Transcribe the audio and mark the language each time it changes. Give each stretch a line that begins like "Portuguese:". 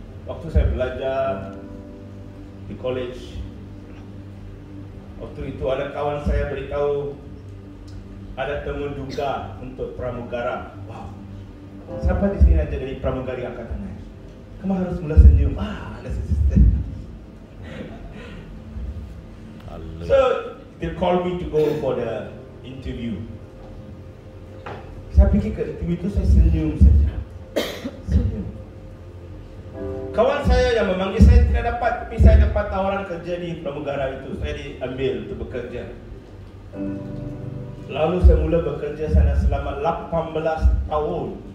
Malay: Waktu saya belajar di college, waktu itu ada kawan saya beritahu ada temu duga untuk pramugara. Wow, siapa di sini aja dari pramugari angkat tangan. Kamu harus mulai senyum. Ada sister.
English: So they call me to go for the interview.
Malay: Saya pergi ke interview itu saya senyum saja. Kawan saya yang memanggil saya tidak dapat, tapi saya dapat tawaran kerja di pramugara itu. Saya diambil untuk bekerja. Lalu saya mula bekerja sana selama 18 tahun.